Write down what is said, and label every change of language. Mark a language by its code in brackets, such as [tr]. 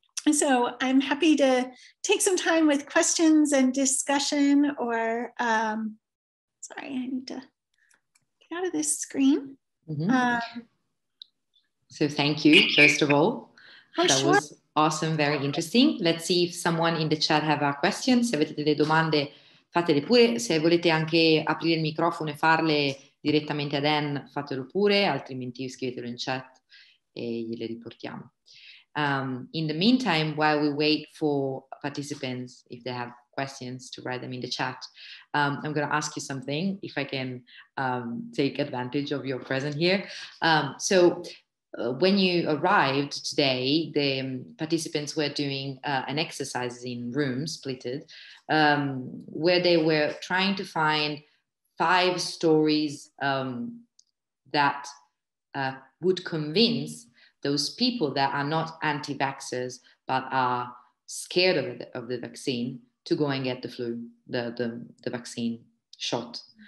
[en] So I'm happy to take some time with questions and discussion or, sorry, I need to get out of this screen. Mm-hmm. So thank you, first of all. Oh, sure. Awesome, very interesting. Let's see if someone in the chat have a question. [it] Se avete delle domande, fatele pure. Se volete anche aprire il microfono e farle direttamente ad Anne, fatelo pure, altrimenti scrivetelo in chat e gliele riportiamo. [en] In the meantime, while we wait for participants, if they have questions, to write them in the chat, I'm going to ask you something, if I can take advantage of your presence here. When you arrived today, the participants were doing an exercise in rooms, splitted, where they were trying to find five stories that would convince those people that are not anti-vaxxers but are scared of the vaccine to go and get the flu, the vaccine shot.